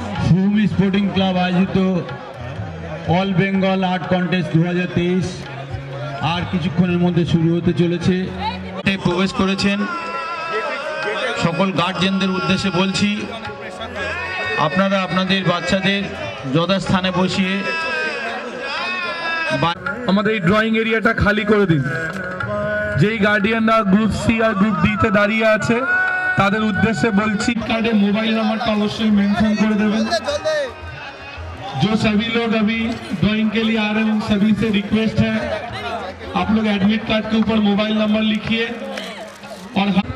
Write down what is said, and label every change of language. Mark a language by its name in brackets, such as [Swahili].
[Hindi] भूमि sporting club आयोजित all Bengal art contest 2023 [Bangla] আর কিছুক্ষণের মধ্যে শুরু হতে চলেছে। প্রবেশ করেছেন সকল গার্জেনদের উদ্দেশ্যে বলছি, আপনারা আপনাদের বাচ্চাদের যথাস্থানে বসিয়ে আমাদের এই ড্রয়িং এরিয়াটা খালি করে দিন। যেই গার্ডিয়ানরা গ্রুপ সি আর গ্রুপ ডিতে দাঁড়িয়ে আছে তাদের উদ্দেশ্যে বলছি, কার্ডে মোবাইল নাম্বারটা অবশ্যই মেনশন করে দেবেন। [Hindi] जो सभी लोग अभी ड्रॉइंग के लिए आ रहे हैं उन सभी से रिक्वेस्ट है, आप लोग एडमिट कार्ड के ऊपर मोबाइल नंबर लिखिए और